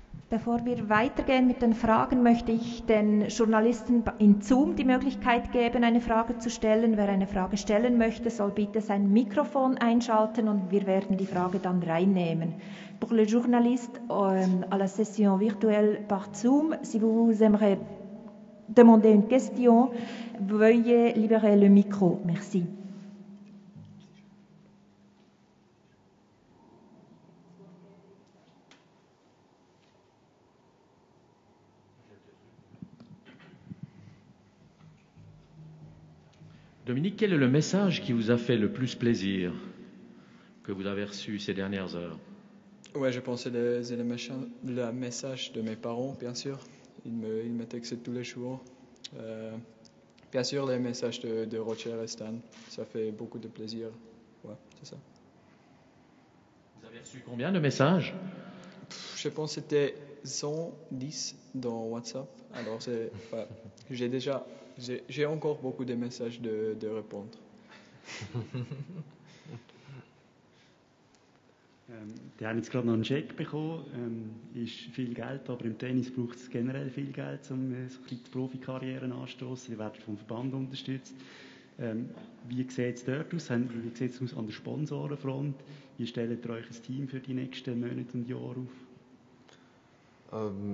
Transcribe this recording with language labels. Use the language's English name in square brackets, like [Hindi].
[German] Bevor wir weitergehen mit den Fragen, möchte ich den Journalisten in Zoom die Möglichkeit geben, eine Frage zu stellen. Wer eine Frage stellen möchte, soll bitte sein Mikrofon einschalten und wir werden die Frage dann reinnehmen. [French] Pour les journalistes à la session virtuelle par Zoom, si vous aimeriez demander une question, veuillez libérer le micro. Merci. Dominique, quel est le message qui vous a fait le plus plaisir que vous avez reçu ces dernières heures? Oui, je pense que c'est le message de mes parents, bien sûr. Ils me textent tous les jours. Bien sûr, le message de Roger et Stan. Ça fait beaucoup de plaisir. Oui, c'est ça. Vous avez reçu combien de messages? Je pense que c'était 110 dans WhatsApp. Alors, j'ai encore beaucoup de messages de répondre. [German] Die haben jetzt gerade noch einen Scheck bekommen. Ist viel Geld, aber im Tennis braucht es generell viel Geld, um so die Profikarriere anzustoßen. Die werden vom Verband unterstützt. Wie sieht es dort aus? Wie sieht es aus an der Sponsorenfront? Wie stellt ihr euch ein Team für die nächsten Monate und Jahre auf?